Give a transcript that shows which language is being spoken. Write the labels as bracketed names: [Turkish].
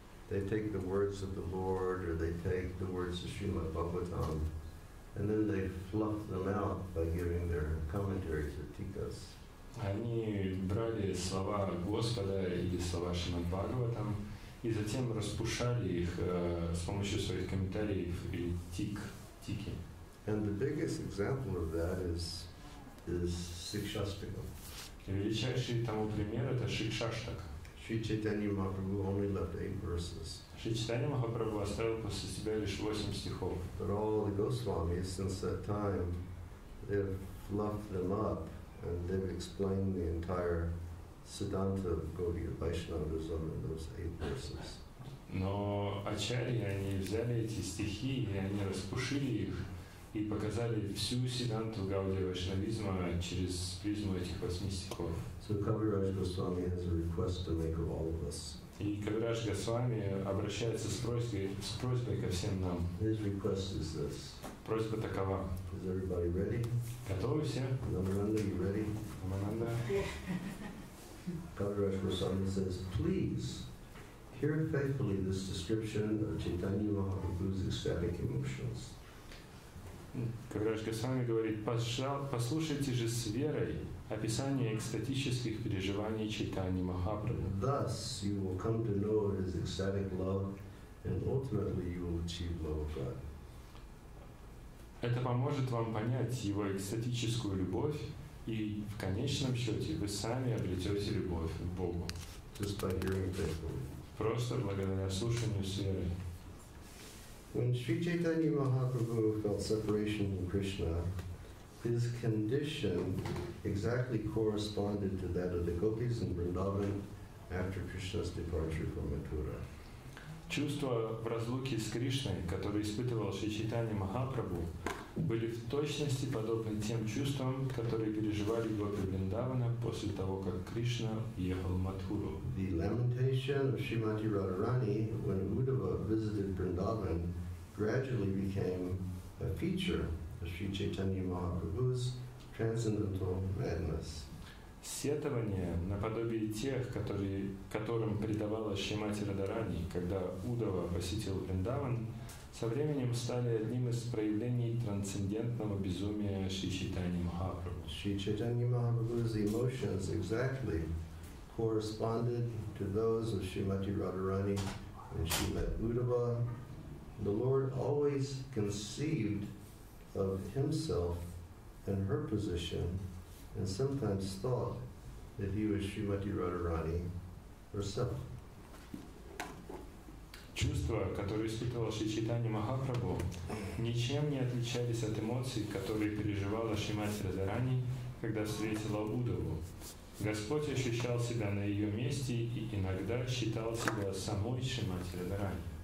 [English] They take the words of the Lord, or they take the words of Srimad Bhagavatam, and then they fluff them out by giving their commentaries or tikkas. [Russian] Они брали слова Господа или слова Шримад Бхагаватам и затем распушали их с помощью своих комментариев или тики. [English] And the biggest example of that is Сикшастикам. [Russian] И величайший тому пример — это Шикшаштак. [English] Шри Чайтанья Махапрабху only left 8 verses. [Russian] Шри Чайтанья Махапрабху оставил после себя лишь 8 стихов. [English] But all the Госвамис since that time, they've fluffed them up and they've explained the entire Siddhanta of Gaudiya Vaishnavism in those 8 verses. [Russian] Но Ачарьи, они взяли эти стихи и они распушили их и показали всю Сиддханту Гауди Вайшнавизма через призму этих 8 стихов. [English] So Kaviraj Goswami has a request to make of all of us. [Russian] И Кавирадж Госвами обращается с просьбой ко всем нам. [English] His request is this. [Russian] Просьба такова. [English] Is everybody ready? [Russian] Готовы все? [English] Намананда, you ready? [Russian] Намананда. [English] Kaviraj Goswami says, please, hear faithfully this description of Chaitanya Mahaprabhu's ecstatic emotions. [Russian] Кавирадж Госвами говорит, послушайте же с верой описание экстатических переживаний Чайтаньи Махапрабху. [English] Thus you will come to know his ecstatic love, and ultimately you will achieve love of God. [Russian] Это поможет вам понять его экстатическую любовь, и в конечном счете вы сами обретете любовь к Богу. [English] Just by hearing it. [Russian] Просто благодаря слушанию с верой. [English] When Sri Chaitanya Mahaprabhu felt separation from Krishna, his condition exactly corresponded to that of the gopis in Vrindavan after Krishna's departure from Mathura. [Russian] Чувства в разлуке с Кришной, которые испытывал Шри Чайтанья Махапрабху, были в точности подобны тем чувствам, которые переживали гопи Вриндавана после того, как Кришна уехал в Матхуру. [English] The lamentation of Srimati Radharani when Uddhava visited Vrindavan gradually became a feature of Sri Chaitanya Mahaprabhu's transcendental madness. [Russian] Сетование наподобие тех, которым предавала Шримати Радарани, когда Удава посетил Вриндаван, со временем стали одним из проявлений трансцендентного безумия Шри Чайтаньи Махапрабху. [English] Шри Чайтаньи Махапрабху's emotions exactly corresponded to those of Шримати Радарани when she met Удава. The Lord always conceived of himself and her position, and sometimes thought that he was Srimati Radharani herself. [Russian] Чувства, которые испытывал Шри Чайтанья Махапрабху, ничем не отличались от эмоций, которые переживала Шримати Радхарани, когда встретила Удаву. Господь ощущал себя на ее месте и иногда считал себя самой Шримати Радхарани.